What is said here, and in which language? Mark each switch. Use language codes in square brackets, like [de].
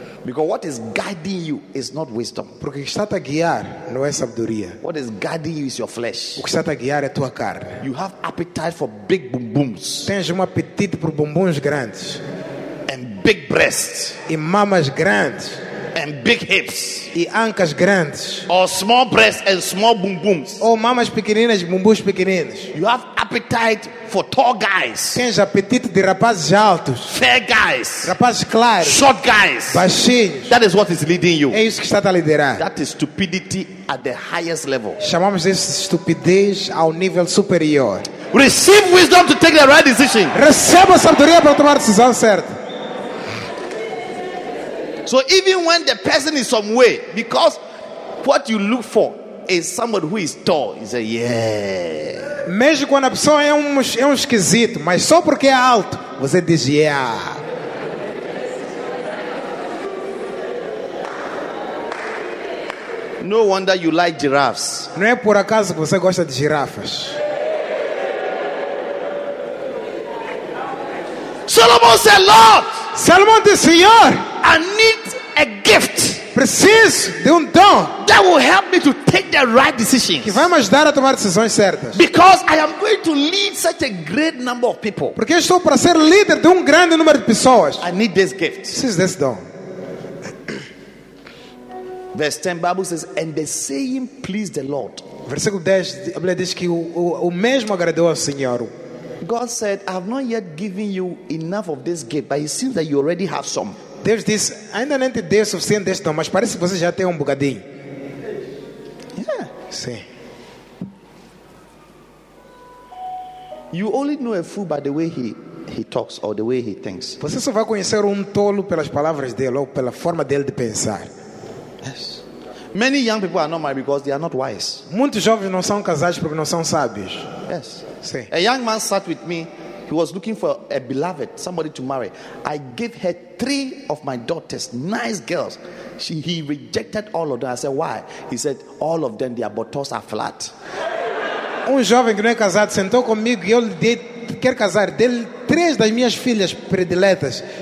[en] Because what is guiding you is not wisdom. [pt] Porque o que está a guiar não é sabedoria. [en] What is guiding you is your flesh. [pt] O que está a guiar é tua carne. [en] You have appetite for big bumbums. [pt] Tens um apetite por bumbuns grandes. [en] And big breasts. [pt] E mamas grandes. [en] And big hips. [pt] E ancas grandes. [en] Or small breasts and small bumbums. [pt] Ou mamas pequeninas e bumbuns pequeninos. [en] You have appetite for tall guys. [pt] Tens apetite de rapazes altos. [en] Fair guys. [pt] Rapazes claros. [en] Short guys. [pt] Baixinhos. [en] That is what is leading you. [pt] É isso que está a liderar. [en] That is stupidity at the highest level. [pt] Chamamos isso de estupidez ao nível superior. [en] Receive wisdom to take the right decision. [pt] Receba sabedoria para tomar a decisão certa. [en] So even when the person is some way, because what you look for is someone who is tall, you say, yeah. [pt] Mesmo quando a pessoa é um esquisito, mas só porque é alto, você diz, yeah. [en] No wonder you like giraffes. [pt] Não é por acaso que você gosta de girafas. [en] Solomon said, Lord. [pt] Solomon disse, Senhor. [en] I need a gift. [pt] Preciso de dom. [en] That will help me to take the right decisions. [pt] Que vai me ajudar a tomar decisões certas. [en] Because I am going to lead such a great number of people. [pt] Porque eu estou para ser líder de grande número de pessoas. [en] I need this gift. [pt] Preciso desse dom. [en] Verse 10, Bible says, and the saying pleased the Lord. [pt] Versículo 10, a Bíblia diz que o mesmo agradou ao Senhor. [en] God said, I have not yet given you enough of this gift, but it seems that you already have some. [pt] Deus disse, ainda não te dei o suficiente deste dom, mas parece que você já tem bocadinho. [en] Yeah. [pt] Sim. [en] You only know a fool by the way he talks or the way he thinks. [pt] Você só vai conhecer tolo pelas palavras dele ou pela forma dele de pensar. [en] Yes. Many young people are not married because they are not wise. [pt] Muitos jovens não são casados porque não são sábios. [en] Yes. [pt] Sim. [en] A young man sat with me. He was looking for a beloved, somebody to marry. I gave her 3 of my daughters, nice girls. He rejected all of them. I said, why? He said, all of them, their buttocks are flat. [pt] Jovem que não é casado sentou comigo e ele quer casar dele 3 das minhas filhas prediletas.